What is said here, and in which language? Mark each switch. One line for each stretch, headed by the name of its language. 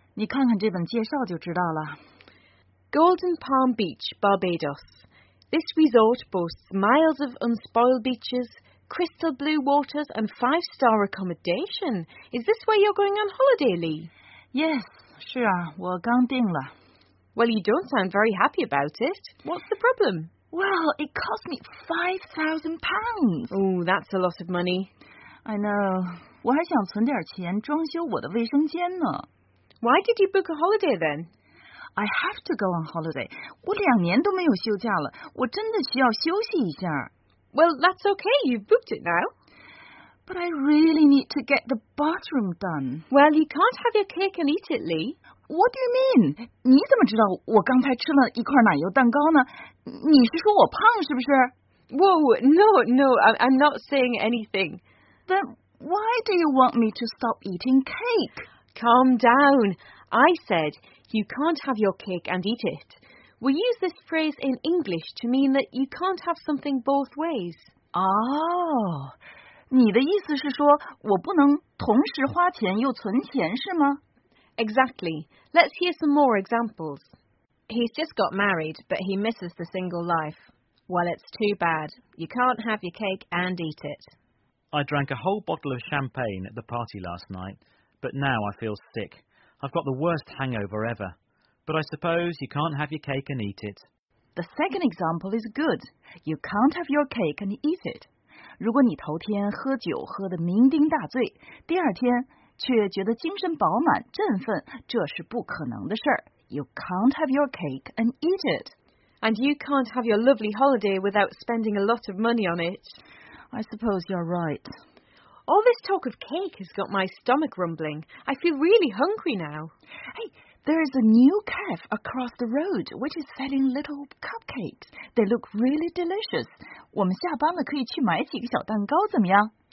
Chinese: 你看看这本介绍就知道了。
English: Golden Palm Beach, Barbados. This resort boasts miles of unspoiled beaches, crystal blue waters and five-star accommodation. Is this where you're going on holiday, Lee?
Chinese: Yes, 是啊，我刚订了。
English: Well, you don't sound very happy about it. What's the problem? Well, it cost me £5,000. Oh, that's a lot of money. I know.
Chinese: 我还想存点钱装修我的卫生间呢。
English: Why did you book a holiday then? I have to go on holiday.
Chinese: 我两年都没有休假了，我真的需要休息一下。
English: Well, that's okay. You've booked it now. But I really need to get the bathroom done. Well, you can't have your cake and eat it, Lee. What do you mean?
Chinese: 你怎么知道我刚才吃了一块奶油蛋糕呢？你是说我胖是不是？
English: Whoa, no, I'm not saying anything. Then why do you want me to stop eating cake? Calm down. I said you can't have your cake and eat it. We use this phrase in English to mean that you can't have something both ways.
Chinese: Oh, 你的意思是说我不能同时花钱又存钱是吗？
English: Exactly. Let's hear some more examples. He's just got married, but he misses the single life. Well, it's too bad. You can't have your cake and eat it. I drank a whole bottle of champagne at the party last night, but now I feel sick. I've got the worst hangover ever. But I suppose you can't have your cake and eat it. The second example is good. You can't have your cake and eat it.
Chinese: 如果你头天喝酒喝得酩酊大醉，第二天却觉得精神饱满、振奋，这是不可能的事儿。
English: You can't have your cake and eat it. And you can't have your lovely holiday without spending a lot of money on it. I suppose you're right. All this talk of cake has got my stomach rumbling. I feel really hungry now. Hey, there is a new cafe across the road which is selling little cupcakes. They look really delicious.
Chinese: 我们下班了可以去买几个小蛋糕怎么样？